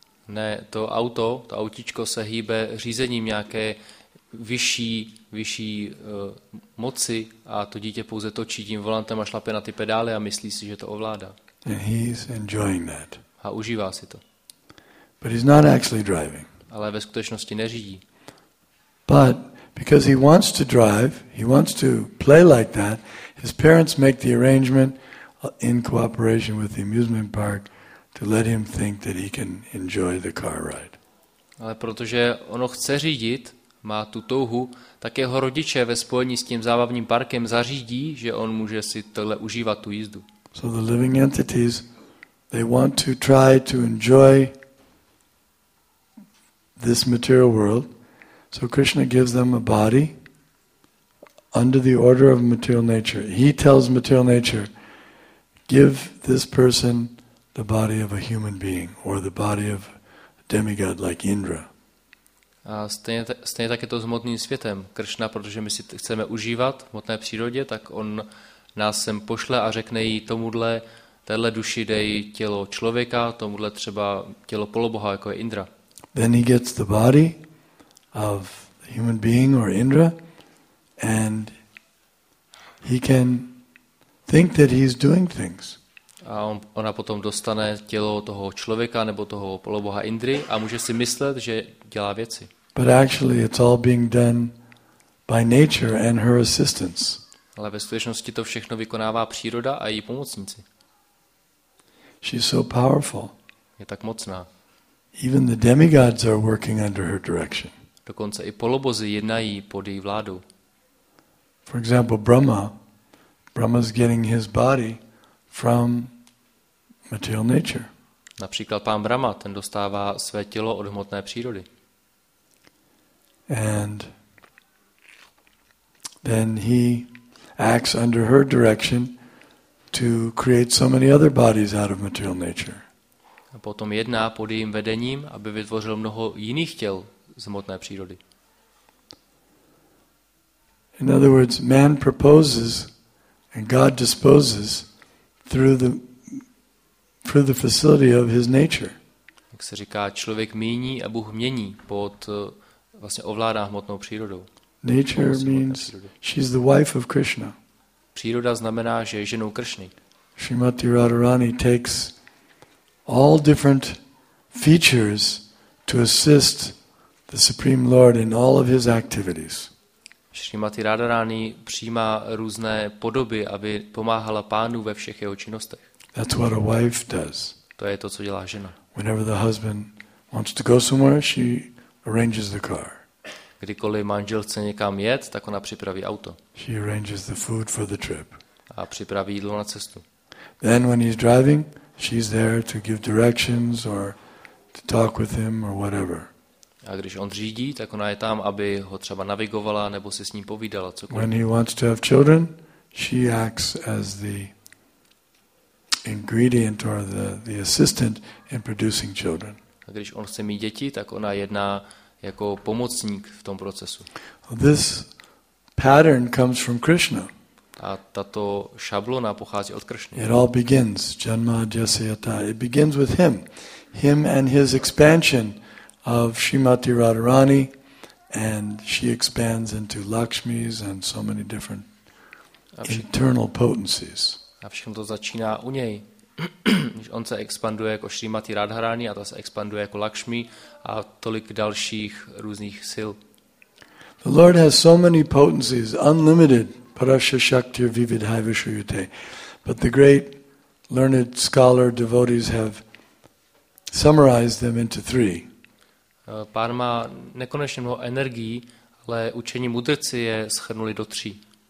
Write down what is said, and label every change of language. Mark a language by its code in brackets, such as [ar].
[cs] Ne, to autíčko se hýbe řízením nějaké vyšší moci a to dítě pouze točí tím volantem a šlape na ty pedály a myslí si, že to ovládá. [en] And he's enjoying that. [cs] A užívá si to. [en] But he's not actually driving. [cs] Ale ve skutečnosti neřídí. [en] But because he wants to drive, he wants to play like that, his parents make the arrangement in cooperation with the amusement park to let him think that he can enjoy the car ride. [cs] Ale protože ono chce řídit, má tu touhu, tak jeho rodiče ve spojení s tím zábavním parkem zařídí, že on může si tohle užívat tu jízdu. [en] So the living entities, they want to try to enjoy this material world. So Krishna gives them a body under the order of material nature. He tells material nature, give this person the body of a human being or the body of a demigod like Indra. [cs] A stejně tak je to s hmotným světem. Krishna, protože my si chceme užívat v hmotné přírodě, tak on nás sem pošle a řekne jí tomuhle, téhle duši dej tělo člověka, tomuhle třeba tělo poloboha, jako je Indra. [en] Then he gets the body of the human being or Indra and he can think that he's doing things. [cs] A ona potom dostane tělo toho člověka nebo toho poloboha Indry a může si myslet, že dělá věci. [en] But actually it's all being done by nature and her assistants. [cs] Ale ve skutečnosti to všechno vykonává příroda a její pomocníci. [en] She's so powerful. [cs] Je tak mocná. [en] Even the demigods are working under her direction. [cs] Dokonce i polobozy jednají pod její vládou. [en] For example, Brahma. Brahma's getting his body from material nature. [cs] Například pán Brahma, ten dostává své tělo od hmotné přírody. [en] And then he acts under her direction to create so many other bodies out of material nature. [cs] A potom jedná pod jejím vedením, aby vytvořil mnoho jiných těl z hmotné přírody. [en] In other words, man proposes and God disposes through the facility of his nature. [cs] Jak se říká, člověk míní a Bůh mění pod vlastně ovládá hmotnou přírodou. [en] Nature means she's the wife of Krishna. [cs] Příroda znamená, že je ženou Kršny. [en] Srimati Radharani takes all different features to assist the Supreme Lord in all of his activities. [cs] Srimati Radharani přijímá různé podoby, aby pomáhala pánu ve všech jeho činnostech. [en] That's what a wife does. [cs] To je to, co dělá žena. [en] Whenever the husband wants to go somewhere, she arranges the car. [cs] Kdykoliv manžel chce někam jet, tak ona připraví auto. [en] She arranges the food for the trip. [cs] A připraví jídlo na cestu. [en] Then when he's driving, she's there to give directions or to talk with him or whatever. [cs] A když on řídí, tak ona je tam, aby ho třeba navigovala nebo si s ním povídala cokoliv. [en] When he wants to have children, she acts as the ingredient or the assistant in producing children. [cs] A když on chce mít děti, tak ona jedná jako pomocník v tom procesu. [en] This pattern comes from Krishna. [cs] A tato šablona pochází od Kršny. [en] It all begins, [sa] Janma Jasayata. [en] It begins with him. Him and his expansion of Srimati Radharani, and she expands into Lakshmis and so many different internal potencies. [cs] A všechno to začíná u něj. On se expanduje jako Srimati Radharani a ta se expanduje jako Lakshmi a tolik dalších různých sil. [en] The Lord has so many potencies, unlimited [sa] parasha shakti vividhai vishuyute. [en] But the great learned scholar devotees have summarized them into three. [cs] Pán má nekonečně mnoho energií, ale učení mudrci je shrnuli do tří.